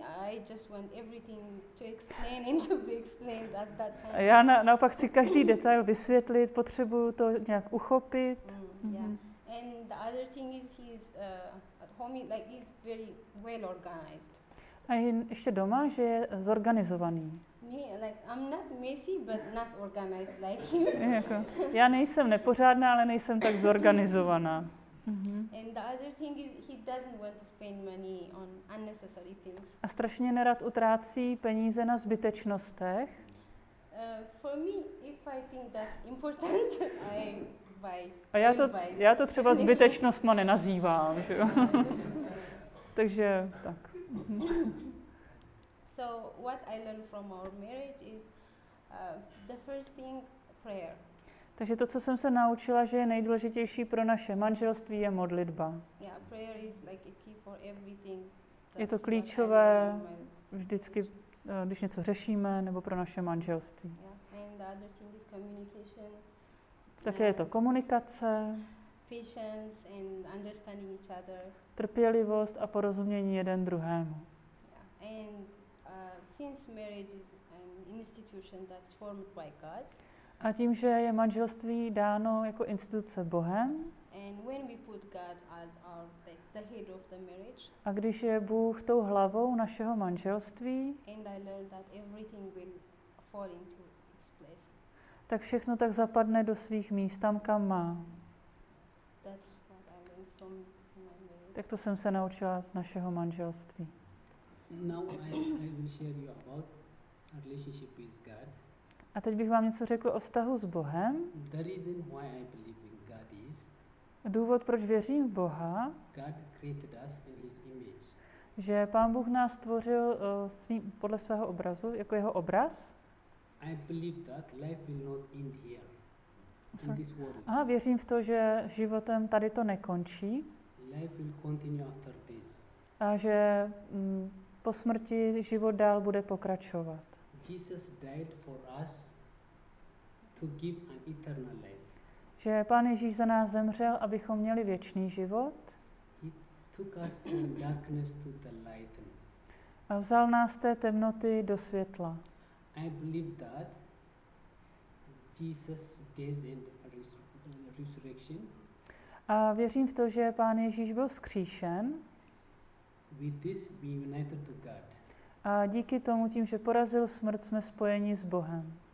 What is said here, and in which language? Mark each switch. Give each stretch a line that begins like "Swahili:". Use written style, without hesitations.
English: I just want everything to explain and to be explained at that time.
Czech: Já naopak chci každý detail vysvětlit, potřebuju to nějak uchopit.
English: And the other thing is he's at home, like he's very well organized.
Czech: A ještě doma, že je zorganizovaný.
English: Me, like I'm not messy, but not organized like him.
Czech: Já nejsem nepořádná, ale nejsem tak zorganizovaná.
English: And the other thing is he doesn't want to spend money on unnecessary things.
Czech: A strašně nerad utrácí peníze na zbytečnostech.
English: For me, if I think that's important, I buy.
Czech: A já to třeba zbytečnostma nenazývám, že jo. Takže tak.
English: So what I learned from our marriage is the first thing, prayer.
Czech: Takže to, co jsem se naučila, že je nejdůležitější pro naše manželství, je modlitba.
English: Yeah, prayer is like a key for everything.
Czech: Je to klíčové vždycky, když něco řešíme, nebo pro naše manželství.
English: Yeah. And the other thing is communication.
Czech: Také je to komunikace.
English: Patience and understanding each other.
Czech: Trpělivost a porozumění jeden druhému.
English: Yeah. And since marriage is an institution that's formed by God.
Czech: A tím, že je manželství dáno jako instituce Bohem.
English: And when we put God as our the head of the marriage.
Czech: A když je Bůh tou hlavou našeho manželství.
English: And I learned that everything will fall into its place.
Czech: Tak všechno tak zapadne do svých míst, tam kam má.
English: That's what I learned from my marriage.
Czech: Tak to jsem se naučila z našeho manželství.
English: Now I will share you about relationship with God.
Czech: A teď bych vám něco řekl o vztahu s Bohem.
English: The reason why I believe in God is,
Czech: důvod, proč věřím v Boha,
English: God created us in his image.
Czech: Že Pán Bůh nás stvořil podle svého obrazu, jako jeho obraz.
English: I believe that life will not end here, in this world.
Czech: Aha, věřím v to, že životem tady to nekončí.
English: Life will continue after this.
Czech: A že po smrti život dál bude pokračovat.
English: Jesus died for us to give an eternal life.
Czech: Že Pán Ježíš za nás zemřel, abychom měli věčný život.
English: He took us from darkness to the light.
Czech: A vzal nás té temnoty do světla.
English: I believe that Jesus death and resurrection.
Czech: A věřím v to, že Pán Ježíš byl vzkříšen.
English: With this we united to God.
Czech: A díky tomu, tím, že porazil smrt, jsme spojeni s Bohem.